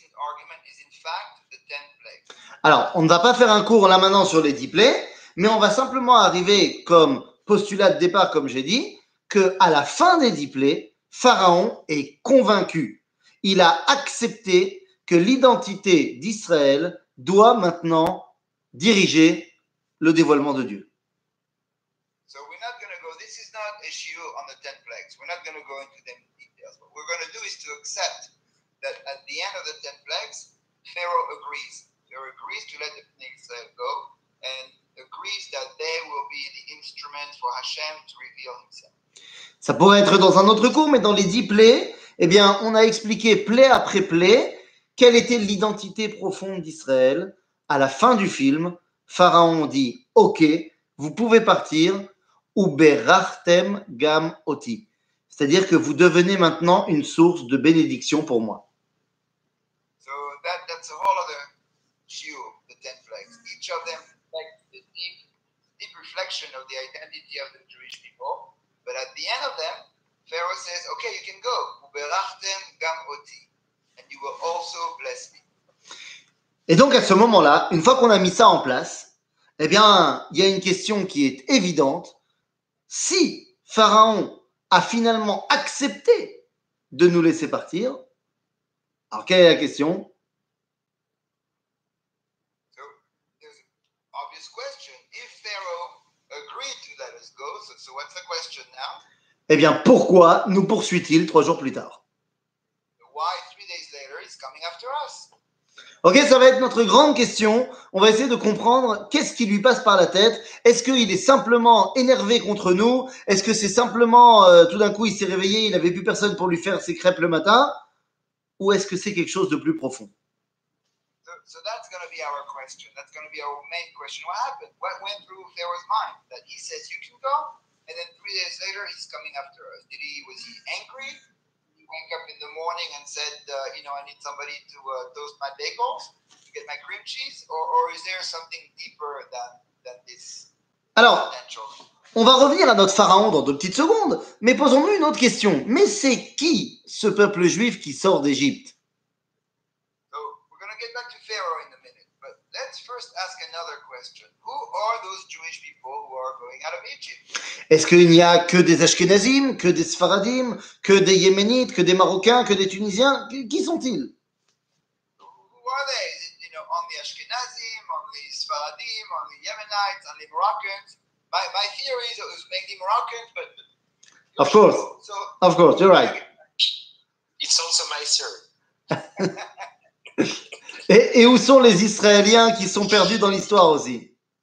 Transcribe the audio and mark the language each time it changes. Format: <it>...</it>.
<en>Argument is in fact the 10th plague.</en> <fr>Alors, on ne va pas faire un cours là maintenant sur les 10 plaies, mais on va simplement arriver comme postulat de départ, comme j'ai dit, qu'à la fin des 10 plaies, Pharaon est convaincu. Il a accepté que l'identité d'Israël doit maintenant diriger le dévoilement de Dieu.</fr> <en>So we're not going to go, this is not a issue on the 10 plagues. We're not going to go into them details. What we're going to do is to accept that at the end of the 10 plagues, Pharaoh agrees. Pharaoh agrees to let the Israel go and agrees that they will be the instrument for Hashem to reveal himself.</en> <fr>Ça pourrait être dans un autre cours, mais dans les 10 plaies, eh bien, on a expliqué plaie après plaie quelle était l'identité profonde d'Israël. À la fin du film, Pharaon dit « Ok, vous pouvez partir,</fr> <he>ou berachtem gam oti</he> <fr>», c'est-à-dire que vous devenez maintenant une source de bénédiction pour moi.</fr> <en>So that's a whole other issue, the 10 plagues. Each of them reflects the deep reflection of the identity of the Jewish people. But at the end of them, Pharaoh says, « Ok, you can go,</en> <he>ou berachtem gam oti,</he> <en>and you will also bless me. »</en> <fr>Et donc, à ce moment-là, une fois qu'on a mis ça en place, eh bien, il y a une question qui est évidente. Si Pharaon a finalement accepté de nous laisser partir, alors quelle est la question ?</fr> <en>So, there's an obvious question. If Pharaoh agreed to let us go, so what's the question now ?</en> <fr>Eh bien, pourquoi nous poursuit-il 3 jours plus tard ?</fr> <en>Why 3 days later he's coming after us ?</en> <fr>Ok, ça va être notre grande question. On va essayer de comprendre qu'est-ce qui lui passe par la tête. Est-ce qu'il est simplement énervé contre nous? Est-ce que c'est simplement tout d'un coup il s'est réveillé, il n'avait plus personne pour lui faire ses crêpes le matin? Ou est-ce que c'est quelque chose de plus profond?</fr> <en>So that's going to be our question. That's going to be our main question. What happened? What went through Pharaoh's mind? That he says you can go, and then 3 days later he's coming after us. Was he angry? Wake up in the morning and said, I need somebody to toast my bagels, to get my cream cheese, or is there something deeper than this?</en> <fr>Alors, on va revenir à notre pharaon dans 2 petites secondes, mais posons-nous une autre question. Mais c'est qui ce peuple juif qui sort d'Égypte?</fr> <en>So, we're going to get back to Pharaoh in a minute, but let's first ask another question. Who are those Jewish people who are going out of Egypt?</en> <fr>Est-ce qu'il n'y a que des Ashkenazim, que des Sfaradim, que des Yéménites, que des Marocains, que des Tunisiens? Qui sont-ils?</fr> <en>Who are they? Is it, only Ashkenazim, only Sfaradim, only Yemenites, only Moroccans? My theory is it was mainly Moroccans, but... Of course, so, of course, you're right. It's also my theory.</en> <fr>et où sont les Israéliens qui sont perdus dans l'histoire aussi?</fr>